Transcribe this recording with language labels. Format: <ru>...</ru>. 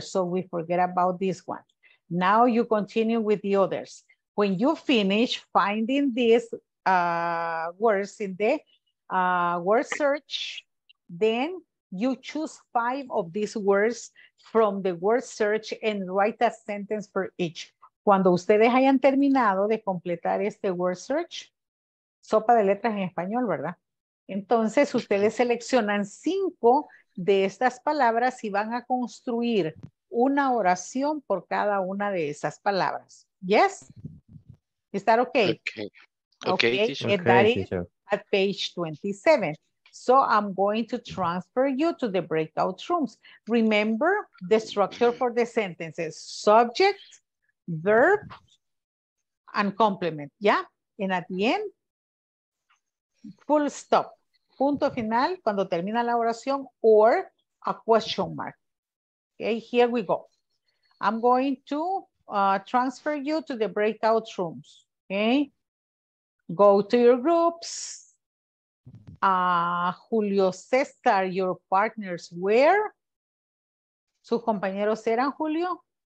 <en>So we forget about this one. Now you continue with the others. When you finish finding these words in the word search, then you choose five of these words from the word search and write a sentence for each.</en> <es>Cuando ustedes hayan terminado de completar este word search, sopa de letras en español, ¿verdad? Entonces, ustedes seleccionan cinco de estas palabras y van a construir una oración por cada una de esas palabras.</es> <en>¿Yes? ¿Is that okay? Okay. And that is at page 27. So I'm going to transfer you to the breakout rooms. Remember the structure for the sentences, subject, verb, and complement, yeah? And at the end, full stop.</en> <es>Punto final, cuando termina la oración, or a question mark.</es> <en>Okay, here we go. I'm going to transfer you to the breakout rooms, okay? Go to your groups. Julio César, your partners were?</en> <es>Sus compañeros eran, Julio?</es>